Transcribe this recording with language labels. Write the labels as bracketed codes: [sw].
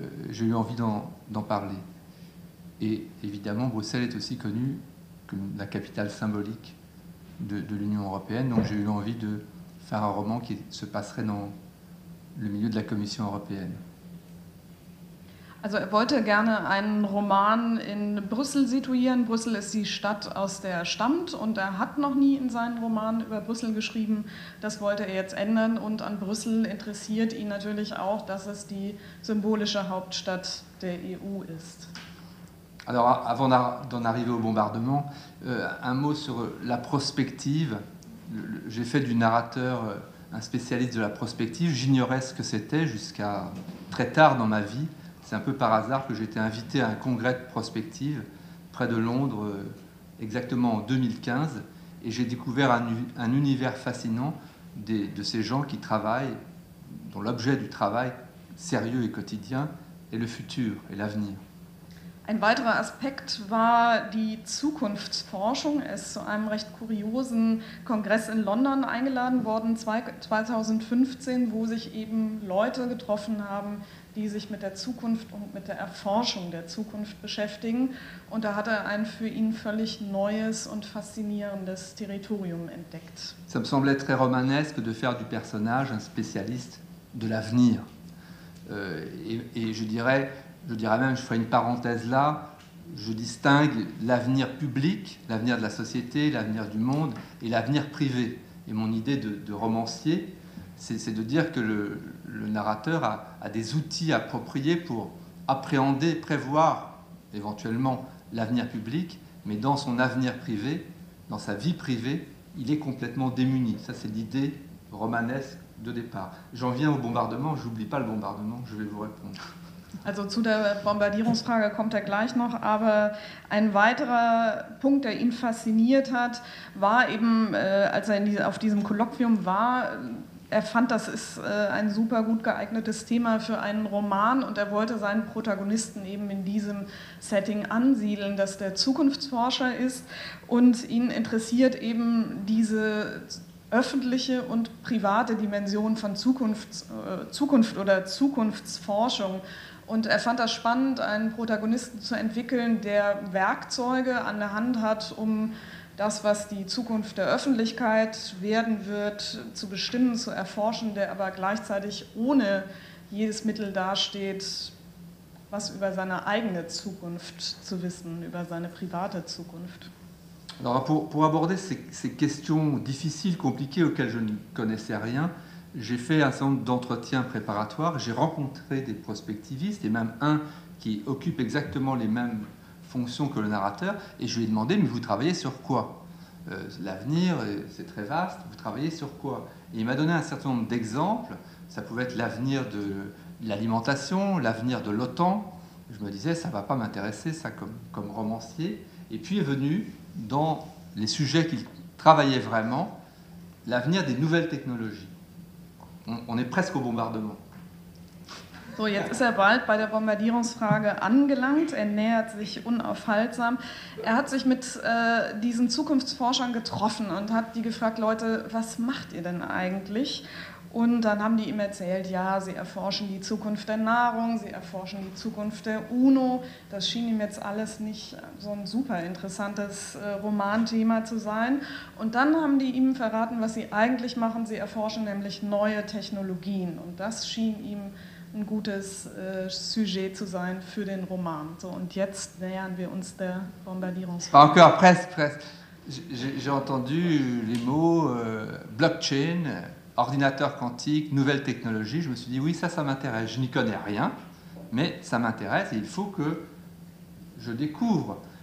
[fr] J'ai eu envie d'en parler. Et évidemment, Bruxelles est aussi connue comme la capitale symbolique de l'Union européenne. Donc j'ai eu envie de faire un roman qui se passerait dans le milieu de la Commission européenne. [de] Also er wollte gerne einen Roman in Brüssel situieren. Brüssel ist die Stadt, aus der er stammt, und er hat noch nie in seinen Roman über Brüssel geschrieben. Das wollte er jetzt ändern, und an Brüssel interessiert ihn natürlich auch, dass es die symbolische Hauptstadt der EU ist. [fr] Alors avant d'en arriver au bombardement, un mot sur la prospective. J'ai fait du narrateur un spécialiste de la prospective. J'ignorais ce que c'était jusqu'à très tard dans ma vie. C'est un peu par hasard que j'ai été invité à un congrès de prospective près de Londres, exactement en 2015. Et j'ai découvert un univers fascinant de ces gens qui travaillent, dont l'objet du travail sérieux et quotidien est le futur et l'avenir. [de] Ein weiterer Aspekt war die Zukunftsforschung. Er ist zu einem recht kuriosen Kongress in London eingeladen worden, 2015, wo sich eben Leute getroffen haben, die sich mit der Zukunft und mit der Erforschung der Zukunft beschäftigen. Und da hat er ein für ihn völlig neues und faszinierendes Territorium entdeckt. [fr] Ça me semblait très romanesque de faire du personnage un spécialiste de l'avenir. Et je dirais... Je dirais même, je ferai une parenthèse là, je distingue l'avenir public, l'avenir de la société, l'avenir du monde et l'avenir privé. Et mon idée de romancier, c'est de dire que le narrateur a des outils appropriés pour appréhender, prévoir éventuellement l'avenir public, mais dans son avenir privé, dans sa vie privée, il est complètement démuni. Ça, c'est l'idée romanesque de départ. J'en viens au bombardement, j'oublie pas le bombardement, je vais vous répondre. [de] Also zu der Bombardierungsfrage kommt er gleich noch, aber ein weiterer Punkt, der ihn fasziniert hat, war eben, als er auf diesem Kolloquium war, er fand, das ist ein super gut geeignetes Thema für einen Roman, und er wollte seinen Protagonisten eben in diesem Setting ansiedeln, dass der Zukunftsforscher ist, und ihn interessiert eben diese öffentliche und private Dimension von Zukunft oder Zukunftsforschung. Und er fand das spannend, einen Protagonisten zu entwickeln, der Werkzeuge an der Hand hat, um das, was die Zukunft der Öffentlichkeit werden wird, zu bestimmen, zu erforschen, der aber gleichzeitig ohne jedes Mittel dasteht, was über seine eigene Zukunft zu wissen, über seine private Zukunft. [fr] Alors pour aborder ces questions difficiles, compliquées, auxquelles je ne connaissais rien, j'ai fait un certain nombre d'entretiens préparatoires, j'ai rencontré des prospectivistes, et même un qui occupe exactement les mêmes fonctions que le narrateur, et je lui ai demandé, mais vous travaillez sur quoi ? L'avenir, c'est très vaste, vous travaillez sur quoi ? Et il m'a donné un certain nombre d'exemples, ça pouvait être l'avenir de l'alimentation, l'avenir de l'OTAN, je me disais, ça ne va pas m'intéresser, ça, comme romancier, et puis est venu, dans les sujets qu'il travaillait vraiment, l'avenir des nouvelles technologies. On est presque au bombardement. [de] So, jetzt ist er bald bei der Bombardierungsfrage angelangt. Er nähert sich unaufhaltsam. Er hat sich mit diesen Zukunftsforschern getroffen und hat die gefragt, Leute, was macht ihr denn eigentlich? Und dann haben die ihm erzählt, ja, sie erforschen die Zukunft der Nahrung, sie erforschen die Zukunft der UNO. Das schien ihm jetzt alles nicht so ein super interessantes Romanthema zu sein. Und dann haben die ihm verraten, was sie eigentlich machen. Sie erforschen nämlich neue Technologien. Und das schien ihm ein gutes Sujet zu sein für den Roman. So, und jetzt nähern wir uns der Bombardierungsfrage. [fr] Encore, presse. J'ai entendu les mots Blockchain, ordinateur quantique, nouvelles technologies, je me suis dit oui, ça m'intéresse, je n'y connais rien, mais ça m'intéresse et il faut que je découvre.